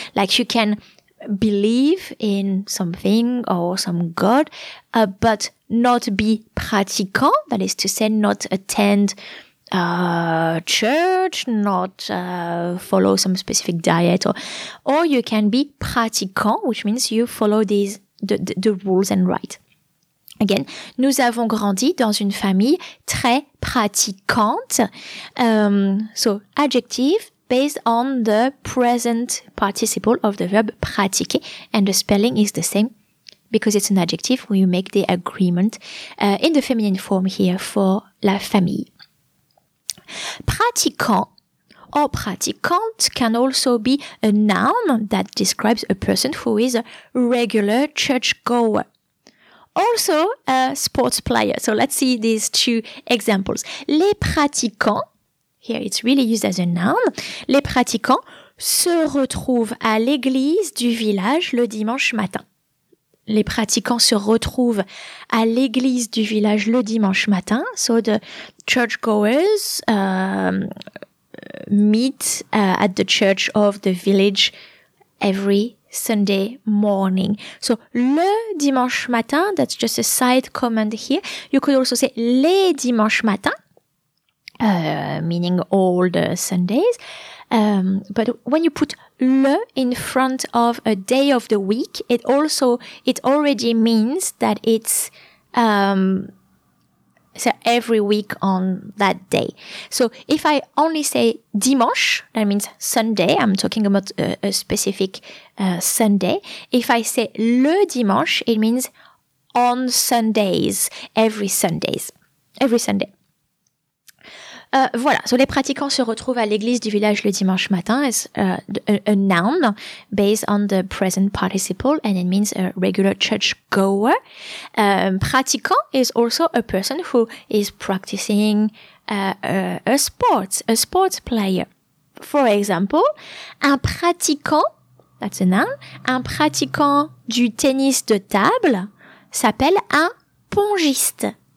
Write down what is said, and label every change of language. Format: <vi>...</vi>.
<en>Like you can believe in something or some god, but not be pratiquant. That is to say, not attend church, not follow some specific diet, or you can be pratiquant, which means you follow these the rules and rites. Again,</en> <fr>nous avons grandi dans une famille très pratiquante.</fr> <en>So, adjective based on the present participle of the verb pratiquer, and the spelling is the same because it's an adjective. We make the agreement in the feminine form here for la famille. Pratiquant or pratiquante can also be a noun that describes a person who is a regular churchgoer. Also, a sports player. So let's see these two examples. Les pratiquants, here it's really used as a noun.</en> <fr>Les pratiquants se retrouvent à l'église du village le dimanche matin. Les pratiquants se retrouvent à l'église du village le dimanche matin.</fr> <en>So the churchgoers meet at the church of the village every Sunday morning. So,</en> <fr>le dimanche matin,</fr> <en>that's just a side comment here. You could also say</en> <fr>les dimanches matins,</fr> <en>meaning all the Sundays. But when you put le in front of a day of the week, it already means that it's so every week on that day. So if I only say dimanche, that means Sunday. I'm talking about a specific Sunday. If I say le dimanche, it means on Sundays, every Sundays, every Sunday.</en> <fr>Voilà, so les pratiquants se retrouvent à l'église du village le dimanche matin.</fr> <en>It's a noun based on the present participle and it means a regular church goer. Pratiquant is also a person who is practicing a sports player. For example,</en> <fr>un pratiquant,</fr> <en>that's a noun,</en> <fr>un pratiquant du tennis de table s'appelle un pongiste.</fr>